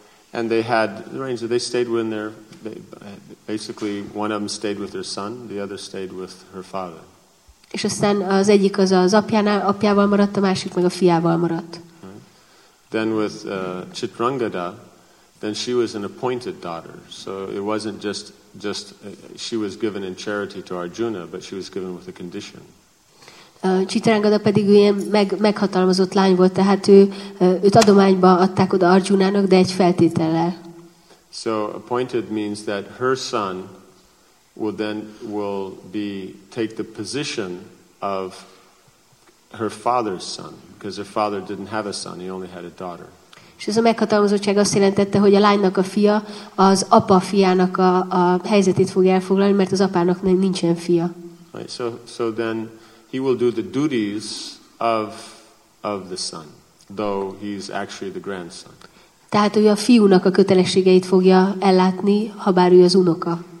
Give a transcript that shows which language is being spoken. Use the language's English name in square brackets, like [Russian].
[English] And they had the range that they stayed with their basically one of them stayed with her son, the other stayed with her father. [Hungarian] És aztán az egyik az apjával maradt, a másik meg a fiával maradt. [English] Then with Chitrangada, then she was an appointed daughter. So it wasn't just she was given in charity to Arjuna, but she was given with a condition. [Hungarian] Chitrangada pedig ilyen meghatalmazott lány volt, tehát őt adományba adták oda Arjunának, de egy feltétellel. [English] So appointed means that her son will then will be take the position of her father's son, because her father didn't have a son, he only had a daughter. [Hungarian] És ez a meghatalmazottság azt jelentette, hogy a lánynak a fia az apa fiának a helyzetét fog elfoglalni, mert az apának nincsen fia. [English] Right, so then he will do the duties of the son, though he's actually the grandson. [Hungarian] Tehát ő a fiúnak a kötelességeit fogja ellátni, habár ő az unoka.